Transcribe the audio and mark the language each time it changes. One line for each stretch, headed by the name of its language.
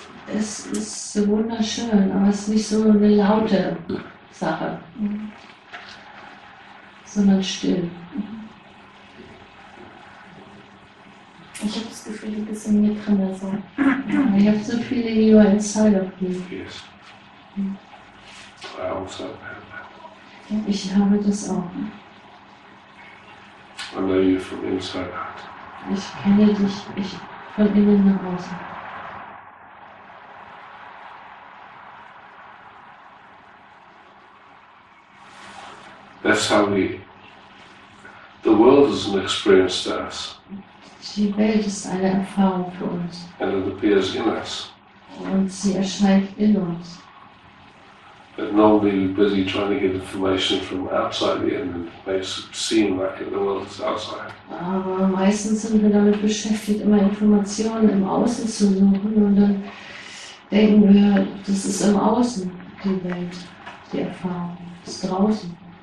German: Es ist so wunderschön, aber es ist nicht so eine laute Sache, sondern still. Ich habe das Gefühl, du bist in mir drin. Also.
English: I have the feeling you are inside of me. Yes. I also have that.
German: Ich habe das auch.
English: I know you from inside out.
German: Ich kenne dich ich von innen nach außen.
English: That's how we. The world is an experience to us.
German: Die Welt ist eine Erfahrung für uns.
English: And it appears in us.
German: Und sie erscheint in uns.
English: But normally we're busy trying to get information from outside the end and makes it seem like the world is outside.
German: Aber meistens sind wir damit beschäftigt, immer Informationen im Außen zu suchen und dann denken wir, das ist im Außen die Welt, die Erfahrung, das ist draußen.